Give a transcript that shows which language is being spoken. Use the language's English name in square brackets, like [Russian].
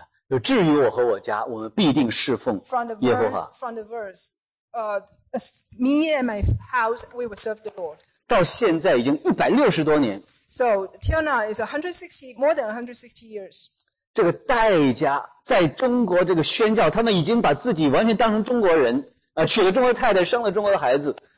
[Chinese] 就至于我和我家，我们必定侍奉耶和华。 [English] From the verse, as me and my house, we will serve the Lord. [Chinese] 到现在已经160多年。 [English] So till now is 160, more than 160 years. [Chinese] 这个戴家在中国这个宣教，他们已经把自己完全当成中国人啊，娶了中国太太，生了中国的孩子。